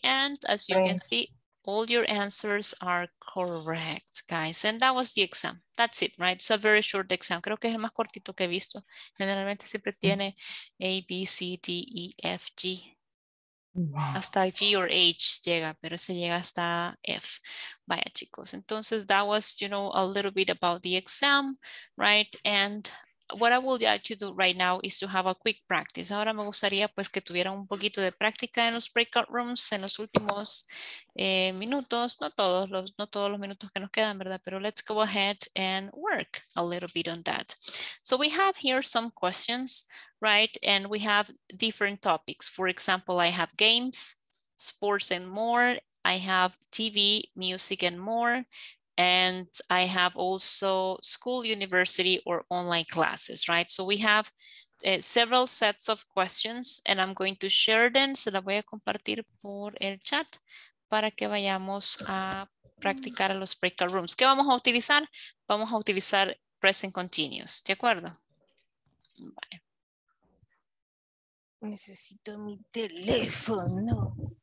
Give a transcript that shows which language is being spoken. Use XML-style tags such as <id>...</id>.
<en>And as you can see, all your answers are correct, guys. And that was the exam. That's it, right? It's a very short exam.</en> <es>Creo que es el más cortito que he visto. Generalmente siempre tiene A, B, C, D, E, F, G. Wow. Hasta G or H llega, pero se llega hasta F. Vaya, chicos.</es> <en>Entonces, that was, you know, a little bit about the exam, right? And what I would like to do right now is to have a quick practice.</en> <es>Ahora me gustaría pues que tuvieran un poquito de práctica en los breakout rooms en los últimos minutos. No todos los minutos que nos quedan, ¿verdad?</es> <en>Pero let's go ahead and work a little bit on that. So we have here some questions, right? And we have different topics. For example, I have games, sports and more. I have TV, music and more. And I have also school, university, or online classes, right? So we have several sets of questions, and I'm going to share them.</en> <es>Se las voy a compartir por el chat para que vayamos a practicar a los breakout rooms. ¿Qué vamos a utilizar? Vamos a utilizar present continuous, ¿de acuerdo? Bye. Necesito mi teléfono.</es>